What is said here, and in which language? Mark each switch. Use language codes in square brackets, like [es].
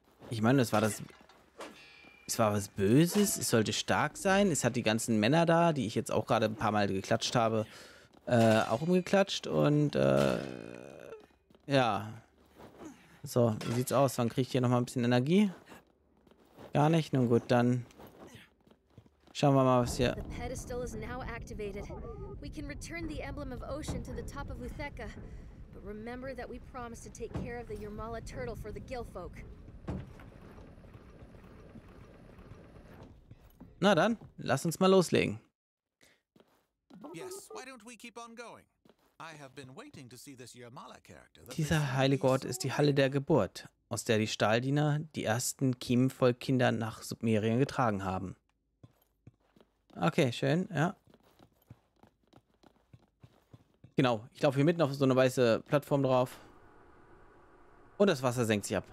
[de] ich meine, es war was Böses, es sollte stark sein, es hat die ganzen Männer da, die ich jetzt auch gerade ein paar Mal geklatscht habe, auch umgeklatscht und, ja. So, wie sieht's aus? Wann kriege ich hier nochmal ein bisschen Energie? Gar nicht? Nun gut, dann schauen wir mal, was hier. [en] The pedestal is now activated. We can return the emblem of Ocean to the top of Utheca. But remember that we promised to take care of the Yermala turtle for the Gilfolk. [de] Na dann, lass uns mal loslegen. [en] Yes, why don't we keep on going? I have been waiting to see this Yermala character. [de] Dieser heilige Ort ist die Halle der Geburt, aus der die Stahldiener die ersten Kiemenvolk-Kinder nach Submerien getragen haben. Okay, schön, ja. Genau, ich laufe hier mitten auf so eine weiße Plattform drauf. Und das Wasser senkt sich ab.